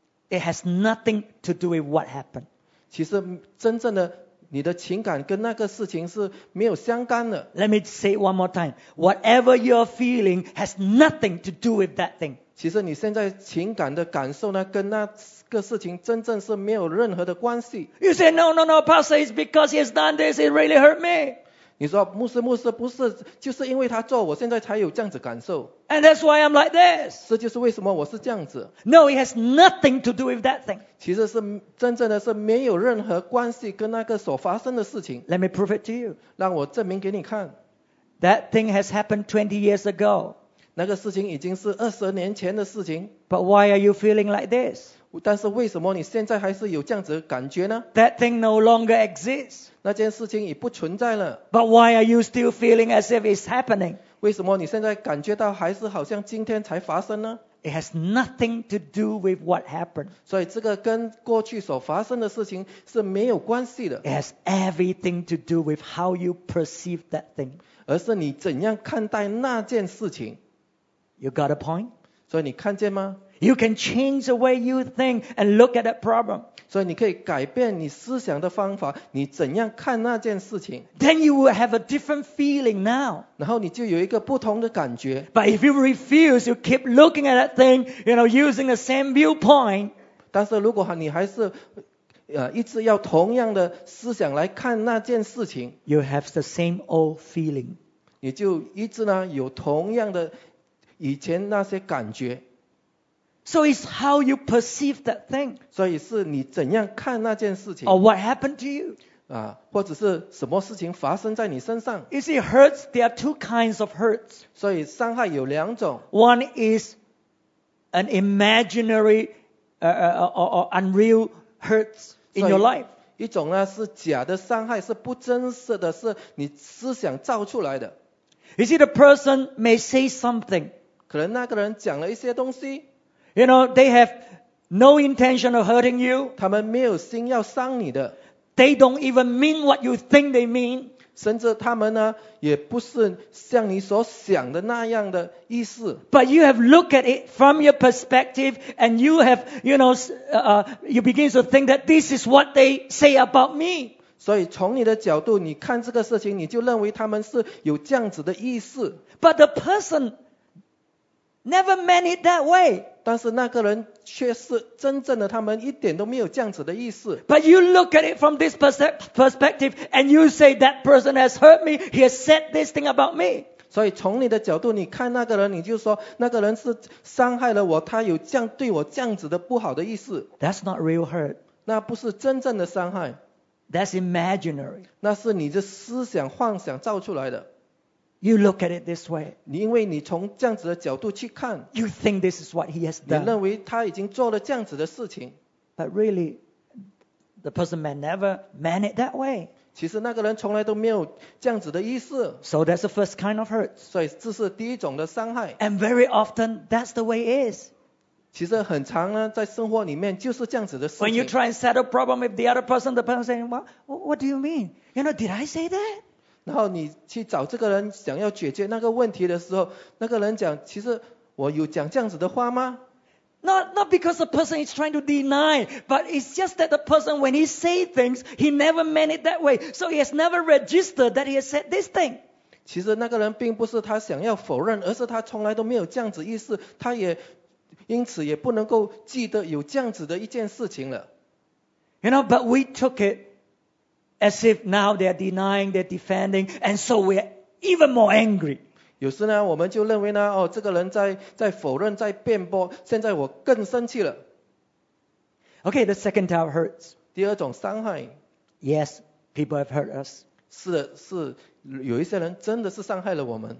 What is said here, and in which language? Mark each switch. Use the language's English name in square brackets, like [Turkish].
[English] it has nothing to do with what happened, [Chinese] 其实真正的你的情感跟那个事情是没有相干的 [English] let me say one more time, whatever you're feeling has nothing to do with that thing, [Chinese] 其实你现在情感的感受呢，跟那个事情真正是没有任何的关系。 [English] You say no, no, no, Pastor, it's because he's done this, it really hurt me. [Chinese] 你说牧师，牧师不是，就是因为他做，我现在才有这样子感受。 [English] And that's why I'm like this. [Chinese] 这就是为什么我是这样子。 [English] No, it has nothing to do with that thing. [Chinese] 其实是真正的是没有任何关系跟那个所发生的事情。 [English] Let me prove it to you. [Chinese] 让我证明给你看。 [English] That thing has happened 20 years ago. [Chinese] 那个事情已经是二十年前的事情。 [English] But why are you feeling like this? [Chinese] 但是为什么你现在还是有这样子的感觉呢？ [English] That thing no longer exists. [Chinese] 那件事情已不存在了。 [English] But why are you still feeling as if it's happening? [Chinese] 为什么你现在感觉到还是好像今天才发生呢？ [English] It has nothing to do with what happened. [Chinese] 所以这个跟过去所发生的事情是没有关系的。 [English] It has everything to do with how you perceive that thing. [Chinese] 而是你怎样看待那件事情。 [English] You got a point? [Chinese] 所以你看见吗? [English] You can change the way you think and look at that problem. [Chinese] 所以你可以改变你思想的方法,你怎样看那件事情? [English] Then you will have a different feeling now. [Chinese] 然后你就有一个不同的感觉。 [English] But if you refuse, you keep looking at that thing, you know, using the same viewpoint. [Chinese] 但是如果你还是一直要同样的思想来看那件事情, [English] you have the same old feeling. [Chinese] 你就一直呢有同样的以前那些感觉。 [English] So it's how you perceive that thing. [Chinese] 所以是你怎样看那件事情。 [English] Or what happened to you? [Chinese] 或者是什么事情发生在你身上。 [English] You see, hurts, there are two kinds of hurts. [Chinese] 所以伤害有两种。 [English] One is an imaginary, or unreal hurts in your life. [Chinese] 一种呢是假的伤害，是不真实的，是你思想造出来的。 [English] You see, the person may say something. [Chinese] 可能那个人讲了一些东西 [English] You know, they have no intention of hurting you. [Chinese] 他们没有心要伤你的。 [English] They don't even mean what you think they mean. [Chinese] 甚至他们呢，也不是像你所想的那样的意思。 [English] But you have looked at it from your perspective and you have, you know, you begin to think that this is what they say about me. [Chinese] 所以从你的角度，你看这个事情，你就认为他们是有这样子的意思。 [English] But the personNever meant it that way. [Chinese] 但是那个人却是真正的，他们一点都没有这样子的意思。 [English] But you look at it from this perspective, and you say that person has hurt me. He has said this thing about me. [Chinese] 所以从你的角度，你看那个人，你就说那个人是伤害了我，他有这样对我这样子的不好的意思。 [English] That's not real hurt. [Chinese] 那不是真正的伤害。 [English] That's imaginary. [Chinese] 那是你的思想幻想造出来的。 [English] You look at it this way. [Chinese] 因为你从这样子的角度去看。 [English] You think this is what he has done. [Chinese] 你认为他已经做了这样子的事情。 [English] But really, the person may never meant it that way. [Chinese] 其实那个人从来都没有这样子的意思。 [English] So that's the first kind of hurt. [Chinese] 所以这是第一种的伤害。 [English] And very often, that's the way it is. [Chinese] 其实很常呢，在生活里面就是这样子的事情。 [English] When you try and settle problem with the person saying, what do you mean? You know, did I say that? [Chinese] 然后你去找这个人想要解决那个问题的时候，那个人讲，其实我有讲这样子的话吗？ [English] not because the person is trying to deny, but it's just that the person, when he says things, he never meant it that way. So he has never registered that he has said this thing. [Chinese] 其实那个人并不是他想要否认，而是他从来都没有这样子意思，他也因此也不能够记得有这样子的一件事情了。 [English] You know, but we took it as if now they are denying, they are defending, and so we are even more angry. [Chinese] 有时呢，我们就认为呢，哦，这个人在否认，在辩驳，现在我更生气了。Okay, [English] the second type hurts. [Chinese] 第二种伤害。 [English] Yes, people have hurt us. [Chinese] 是有一些人真的是伤害了我们。